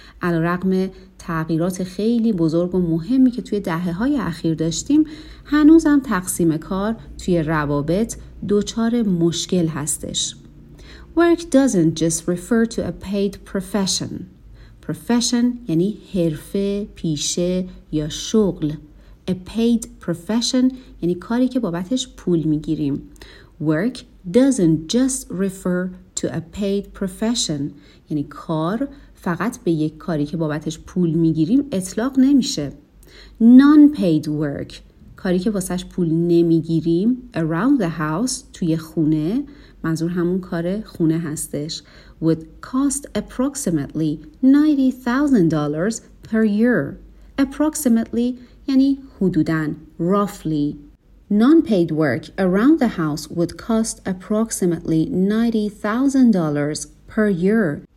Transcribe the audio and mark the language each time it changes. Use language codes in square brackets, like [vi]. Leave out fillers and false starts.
[fa] علی‌رغم تغییرات خیلی بزرگ و مهمی که توی دهه‌های اخیر داشتیم، هنوزم تقسیم کار توی روابط دچار مشکل هستش. [en] Work doesn't just refer to a paid profession. [fa] Profession یعنی حرفه، پیشه یا شغل. [en] A paid profession [fa] یعنی کاری که بابتش پول میگیریم. [en] Work doesn't just refer to a paid profession [fa] یعنی کار فقط به یک کاری که بابتش پول میگیریم اطلاق نمیشه. [en] Non-paid work، [fa] کاری که واسش پول نمیگیریم، [en] around the house، [fa] توی خونه، منظور همون کار خونه هستش، [en] would cost approximately $90,000 per year. [fa] Approximately یعنی حدوداً، roughly. [en] Non-paid work around the house would cost approximately $90,000 per year.